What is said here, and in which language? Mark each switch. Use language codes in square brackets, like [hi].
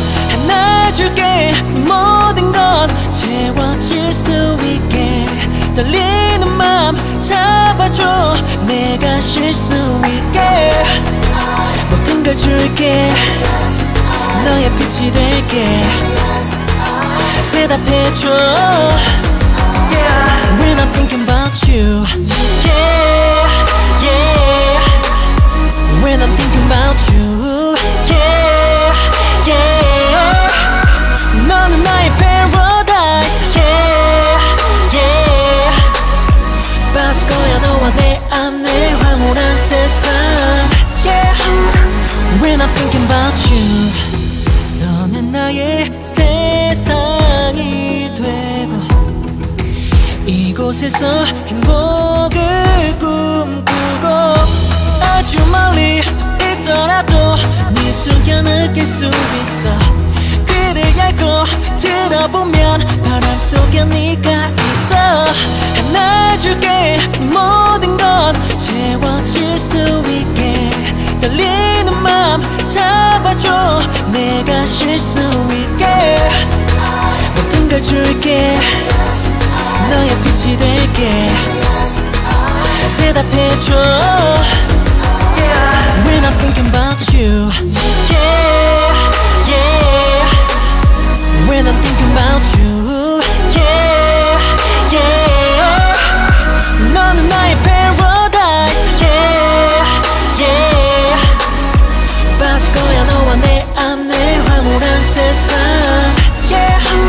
[ko] 하나 줄게 네 모든 건 채워질 수 있게. 떨리는 맘 잡아줘 내가 쉴 수 있게. 모든 걸 줄게 너의 빛이 될게. 대답해줘 yeah. [en] When I'm thinking about you yeah, yeah. When I'm thinking about you yeah, yeah. [ko] 너는 나의 paradise yeah, yeah. 빠질 거야 너와 내 안에 황홀한 세상 yeah. [en] When I'm thinking about you [ko] 너는 나의 세상이 되고 이곳에서 행복을 꿈꾸고. 아주 멀리 있더라도 네 숙여 느낄 수 있어. 그를 알고 들어보면 바람 속에 네가 있어. 하나 줄게 모든 건 채워질 수 있게. 떨리는 맘 잡아줘 내가 쉴 수 있게. 모든 걸 줄게 너의 빛이 될게. 대답해줘 yeah. [en] When I'm thinking about you yeah, yeah. When I'm thinking about you yeah, yeah. [ko] 너는 나의 paradise yeah, yeah. 빠질 거야 너와 내 안에 황홀한 세상 yeah.